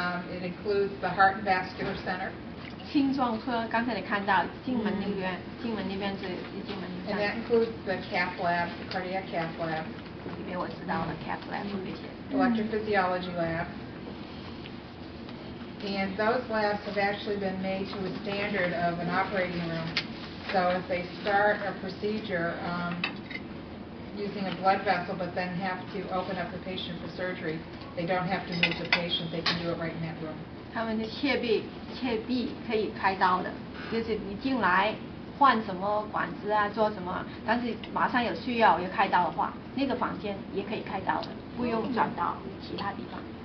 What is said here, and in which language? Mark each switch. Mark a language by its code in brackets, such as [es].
[en] It includes the heart and vascular center. [zh] 心脏科，刚才你看到进门那边，进门那边是一进门。 [en] And that includes the cath lab, the cardiac cath lab. [zh] 里面我知道了 cath lab 那些。 [en] Electrophysiology lab. And those labs have actually been made to a standard of an operating room. So if they start a procedure using a blood vessel, but then have to open up the patient for surgery, they don't have to move the patient. They can do it right in that room. [zh] 他们的切臂可以开刀的，就是你进来换什么管子啊，做什么，但是马上有需要要开刀的话，那个房间也可以开刀的，不用转到其他地方。